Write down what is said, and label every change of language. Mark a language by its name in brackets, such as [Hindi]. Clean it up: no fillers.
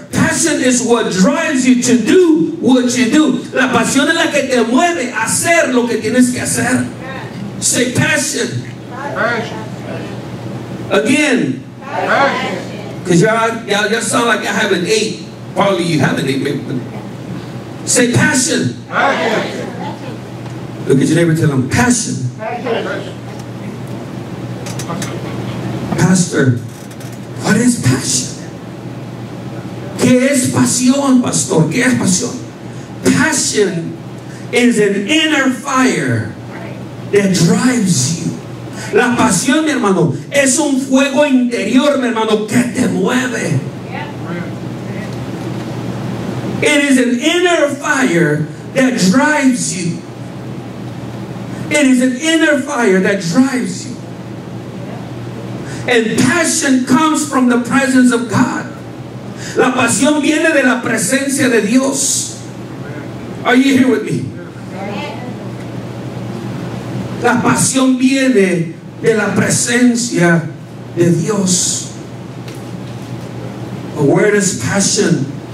[English] Passion is what drives you to do what you do. [Spanish] La pasión es la que te mueve a hacer lo que tienes que hacer. [English] Say passion. Passion. Again. Passion. Because y'all sound like I have an eight. Probably you have an eight. Say passion. Passion. Passion. Look at your neighbor and tell them, passion. Passion. Pastor, what is passion? [Spanish] ¿Qué es pasión, pastor? ¿Qué es pasión? [English] Passion is an inner fire that drives you. [Spanish] La pasión, mi hermano, es un fuego interior, mi hermano, que te mueve. [English] It is an inner fire that drives you. It is an inner fire that drives you. And passion comes from the presence of God. [Spanish] La pasión viene de la presencia de Dios. [English] Are you here with me? [Spanish] La pasión viene de la presencia de Dios. [English] But where does passion?